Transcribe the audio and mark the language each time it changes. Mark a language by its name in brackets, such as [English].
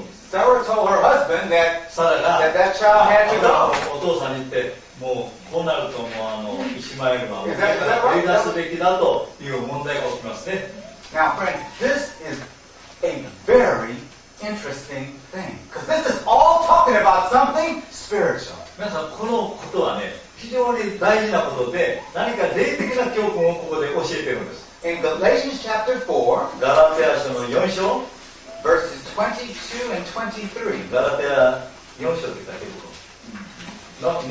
[English] Sarah told her husband that child had to go. [Japanese] お父さんに言って、もうこうなるともうイシマエルは追い出すべきだという問題が起きますね。 [English] Now, friend, this is a very interesting thing. Because this is all talking about something spiritual. [Japanese] 皆さん、このことはね、非常に大事なことで、何か霊的な教訓をここで教えているんです。 [English] In Galatians chapter 4, [Japanese] ガラテヤ書の4章、 [English] verses 22 and 23. [Japanese] ガラテヤ4章って書いてあること。